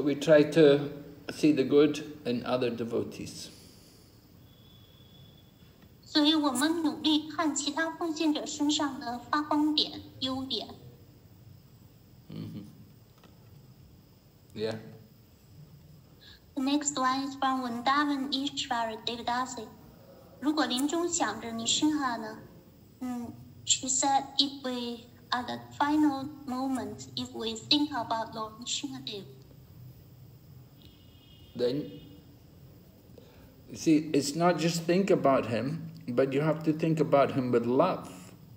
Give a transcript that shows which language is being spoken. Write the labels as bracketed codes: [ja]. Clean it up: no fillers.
[en] we try to see the good in other devotees. [zh] 所以我们努力看其他奉献者身上的发光点、优点。嗯哼。 [en] Yeah. The next one is from Vrindavan Ishwar Devadasi. [zh] 如果临终想着你身上呢? [en] She said, if we, at the final moment, if we think about Lord Nishinadev. Then, see, it's not just think about him, but you have to think about him with love.